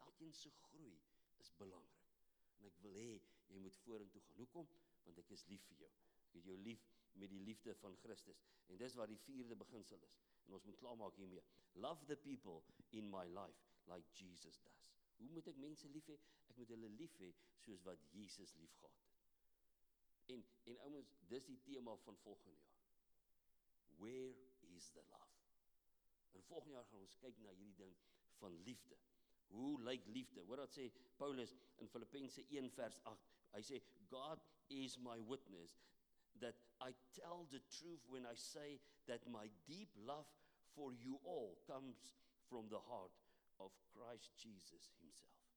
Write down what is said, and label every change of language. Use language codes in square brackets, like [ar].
[af] Elkeen se groei is belangrik. En ek wil hê, jy moet vorentoe gaan. Hoekom? want ek is lief vir jou. Ek het jou lief met die liefde van Christus. En dis waar die vierde beginsel is. En ons moet klaarmaak hiermee. [en] Love the people in my life like Jesus does. [af] Hoe moet ek mense lief hê? Ek moet hulle lief hê soos wat Jesus lief gehad het. En ouens, dis die tema van volgende jaar. [en] Where is the love? [af] En volgende jaar gaan ons kyk na hierdie ding van liefde. Hoe lyk liefde? Hoor wat sê Paulus in Filippense 1 vers 8. Hy sê, [en] God is my witness that I tell the truth when I say that my deep love for you all comes from the heart of Christ Jesus himself.